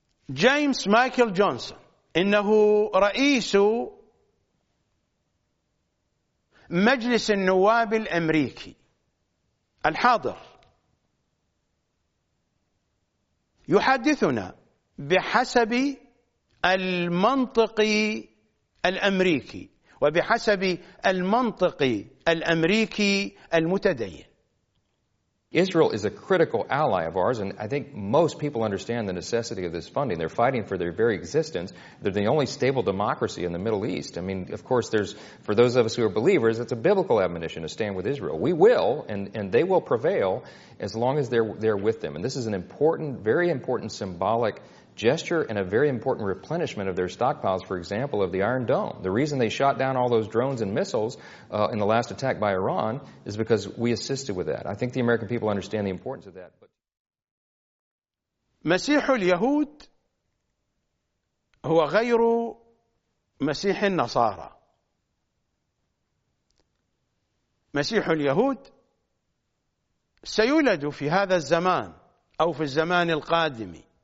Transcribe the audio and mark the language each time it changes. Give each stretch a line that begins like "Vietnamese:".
Arabic: جيمس مايكل جونسون، إنه رئيس مجلس النواب الأمريكي الحاضر، يحدثنا بحسب المنطق الأمريكي وبحسب المنطق الأمريكي المتدين.
English: Israel is a critical ally of ours, and I think most people understand the necessity of this funding. They're fighting for their very existence. They're the only stable democracy in the Middle East. I mean, of course, there's, for those of us who are believers, it's a biblical admonition to stand with Israel. We will, and they will prevail as long as they're with them. And this is an important, very important symbolic gesture and a very important replenishment of their stockpiles, for example, of the Iron Dome. The reason they shot down all those drones and missiles in the last attack by Iran is because we assisted with that. I think the American people understand the importance of that. But
Arabic: مسيح اليهود هو غير مسيح النصارى. مسيح اليهود سيولد في هذا الزمان أو في الزمان القادم.